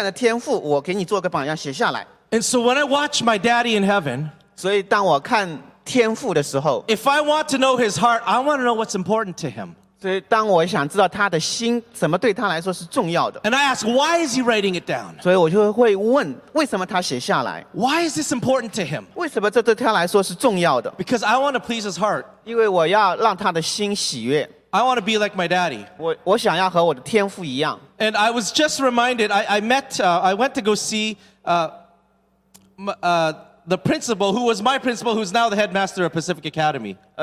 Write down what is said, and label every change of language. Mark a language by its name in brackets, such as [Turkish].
[Chinese] 他实际上是并不需要写下来，但是他做一个榜样，就是我是一位慈善、美善的天父，我给你做个榜样，写下来。 [English] And so when I watch my daddy in heaven, [Chinese] 所以当我看天父的时候, [English] if I want to know his heart, I want to know what's important to him. [Chinese] 所以当我想知道他的心，什么对他来说是重要的。 [English] And I ask, why is he writing it down? [Chinese] 所以我就会问，为什么他写下来？ [English] Why is this important to him? [Chinese] 为什么这对他来说是重要的？ [English] Because I want to please his heart. [Chinese] 因为我要让他的心喜悦。 [English] I want to be like my daddy. [Chinese] 我想要和我的天父一样。 [English] And I was just reminded, I went to go see the principal, who was my principal, who's now the headmaster of Pacific Academy.